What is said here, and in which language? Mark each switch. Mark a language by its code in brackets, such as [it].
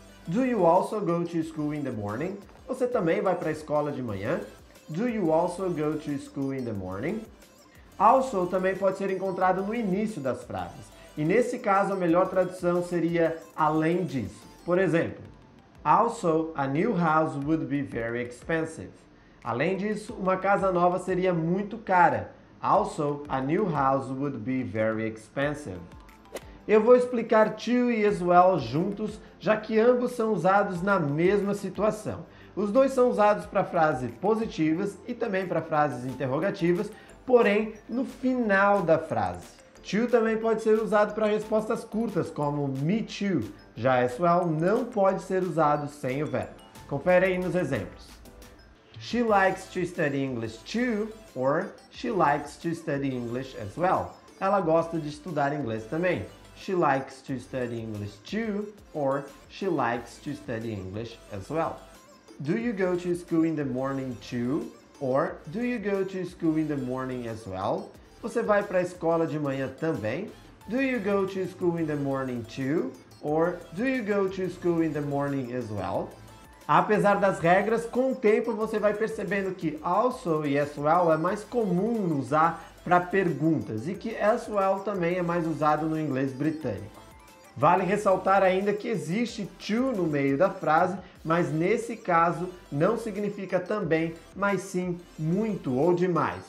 [en] Do you also go to school in the morning? [pt] Você também vai para a escola de manhã? [en] Do you also go to school in the morning? [pt] Also também pode ser encontrado no início das frases. E nesse caso, a melhor tradução seria além disso. Por exemplo, [en] also, a new house would be very expensive. [pt] Além disso, uma casa nova seria muito cara. [en] Also, a new house would be very expensive. [pt] Eu vou explicar to e as well juntos, já que ambos são usados na mesma situação. Os dois são usados para frases positivas e também para frases interrogativas, porém no final da frase. To também pode ser usado para respostas curtas, como [en] me too. [pt] Já as well não pode ser usado sem o verbo. Confere aí nos exemplos. [en] She likes to study English too, or she likes to study English as well. [pt] Ela gosta de estudar inglês também. [en] She likes to study English too, or she likes to study English as well. Do you go to school in the morning too? Or do you go to school in the morning as well? [pt] Você vai para a escola de manhã também? [en] Do you go to school in the morning too? Or do you go to school in the morning as well? [pt] Apesar das regras, com o tempo você vai percebendo que also e as well é mais comum usar para perguntas e que as well também é mais usado no inglês britânico. Vale ressaltar ainda que existe to no meio da frase, mas nesse caso não significa também, mas sim muito ou demais.